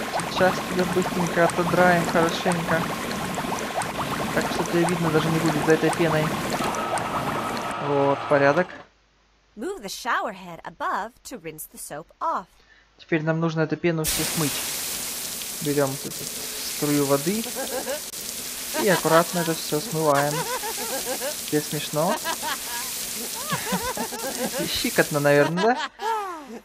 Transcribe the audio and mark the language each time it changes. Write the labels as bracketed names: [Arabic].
[Russian] Сейчас тебя быстренько отодраем хорошенько. Так что тебе видно даже не будет за этой пеной. Вот, порядок. [English] Move the shower head above to rinse the soap off. [Russian] Теперь нам нужно эту пену все смыть. Берем тут струю воды и аккуратно это все смываем. Тебе смешно? Щикотно, наверное, да?